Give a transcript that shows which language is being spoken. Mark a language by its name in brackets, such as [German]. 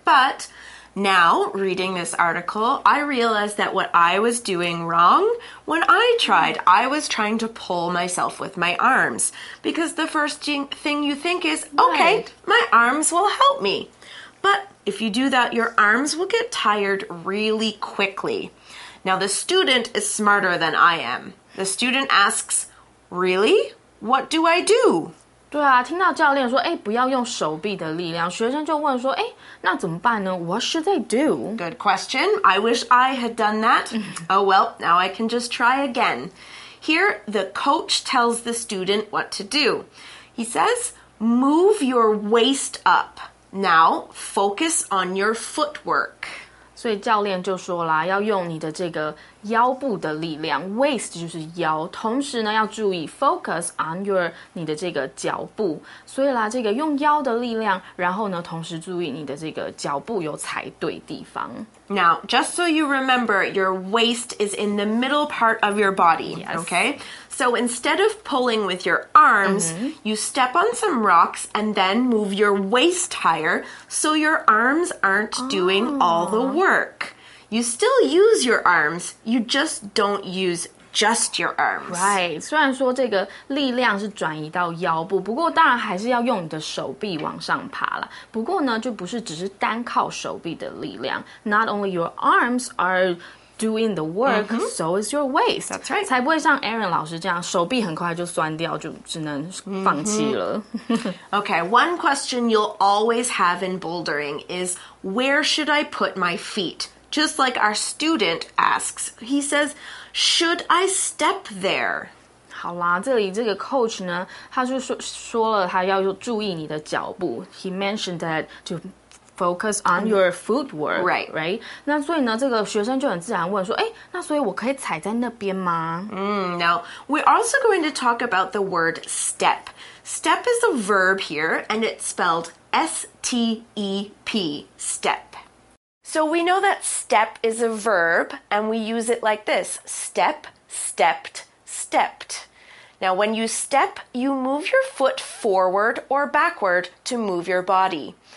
[English] But now, reading this article, I realized that what I was doing wrong when I tried, I was trying to pull myself with my arms. Because the first thing you think is, okay, right. my arms will help me. But if you do that, your arms will get tired really quickly. Now, the student is smarter than I am. The student asks, really? What do I do? [Chinese] 对啊，听到教练说，哎，不要用手臂的力量，学生就问说，哎，那怎么办呢？ [English] What should they do? Good question. I wish I had done that. Oh, well, now I can just try again. Here, the coach tells the student what to do. He says, move your waist up. Now, focus on your footwork. [Chinese] 所以教练就说啦，要用你的这个腰部的力量 ,waist 就是腰，同时呢要注意 [English] focus on your, [Chinese] 你的这个脚步。所以啦，这个用腰的力量，然后呢同时注意你的这个脚步有踩对地方。 [English] Now, just so you remember, your waist is in the middle part of your body, yes. okay? So instead of pulling with your arms,、mm-hmm. you step on some rocks and then move your waist higher so your arms aren't、oh. doing all the work. You still use your arms, you just don't use just your arms. [Chinese] Right, 虽然说这个力量是转移到腰部，不过当然还是要用你的手臂往上爬了。不过呢，就不是只是单靠手臂的力量。 [English] Not only your arms are... doing the work,、mm-hmm. so is your waist. That's right. [Chinese] 才不会像 Aaron 老师这样手臂很快就酸掉就只能放弃了、mm-hmm. [English] Okay, one question you'll always have in bouldering is, where should I put my feet? Just like our student asks, he says, should I step there? [Chinese] 好啦，这里这个 coach 呢，他就 说了他要注意你的脚步。 [English] He mentioned that to... Focus on your footwork. Right. Right. [Chinese] 那所以呢，这个学生就很自然问说，哎，那所以我可以踩在那边吗？ [English] Now, we're also going to talk about the word step. Step is a verb here, and it's spelled S-T-E-P, step. So we know that step is a verb, and we use it like this. Step, stepped, stepped. Now, when you step, you move your foot forward or backward to move your body.